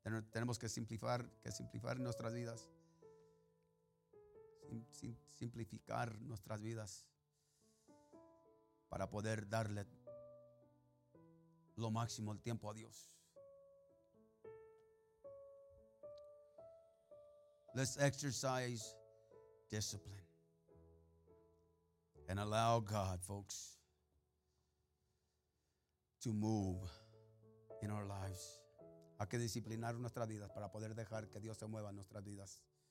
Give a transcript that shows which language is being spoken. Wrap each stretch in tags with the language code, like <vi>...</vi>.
<es>Tenemos que simplificar nuestras vidas. Simplificar nuestras vidas para poder darle lo máximo el tiempo a Dios.</es> <en>Let's exercise discipline and allow God, folks, to move in our lives.</en> <es>Hay que disciplinar nuestras vidas para poder dejar que Dios se mueva en nuestras vidas.</es>